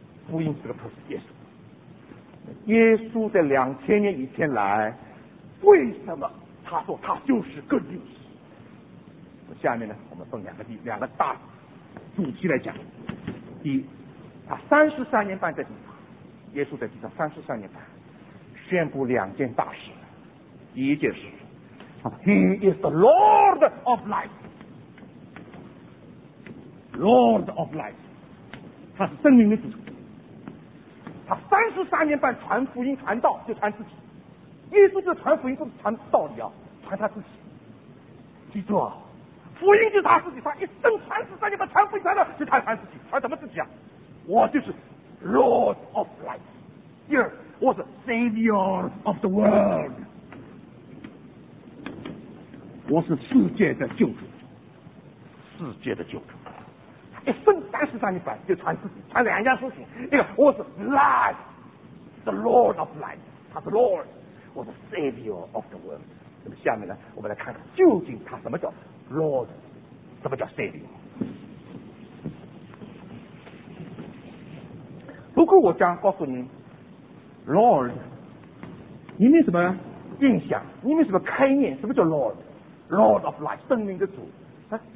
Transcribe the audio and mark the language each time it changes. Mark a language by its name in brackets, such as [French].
[Chinese] 福音是个 person， 耶稣。耶稣在2000年以前来，为什么他说他就是 good news？下面呢，我们分两个大主题来讲。第一，他33年半在地上，耶稣在地上33年半，宣布两件大事。第一件事，他说 [English] He is the Lord of life， [Chinese] Lord of life， 他是生命的主。他33年半传福音传道，就传自己。耶稣就传福音，不是传道理啊，传他自己。记住啊，福音就是他自己，他一生33年半传福音传道，就他传自己，传什么自己啊？我就是 Lord of Life， 第二我是 [English] Savior of the World， [Chinese] 我是世界的救主，世界的救主。一分三十三一百就传自己，传两件事情。一个我是 Life， the Lord of Life， 他是 Lord， 我是 Savior of the World。那么下面呢，我们来看看究竟他什么叫 Lord， 什么叫 Savior。不过我想告诉你 ，Lord，你没什么印象，你没什么概念，什么叫 Lord，Lord of Life， 生命的主，啊，